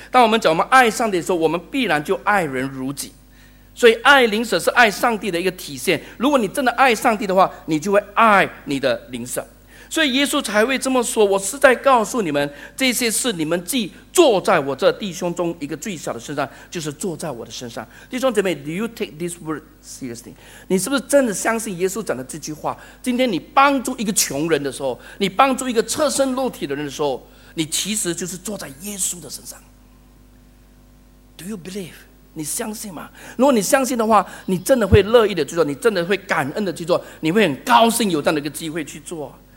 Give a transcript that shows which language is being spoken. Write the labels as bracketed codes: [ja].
[zh] 当我们讲我们爱上帝的时候，我们必然就爱人如己。所以爱邻舍是爱上帝的一个体现。如果你真的爱上帝的话，你就会爱你的邻舍。所以耶稣才会这么说，我是在告诉你们，这些事你们既坐在我这弟兄中一个最小的身上，就是坐在我的身上。弟兄姐妹， [en] Do you take this word seriously? [zh] 你是不是真的相信耶稣讲的这句话？今天你帮助一个穷人的时候，你帮助一个赤身肉体的人的时候，你其实就是坐在耶稣的身上。 [en] Do you believe? [zh] 你相信吗？如果你相信的话，你真的会乐意的去做，你真的会感恩的去做，你会很高兴有这样的一个机会去做。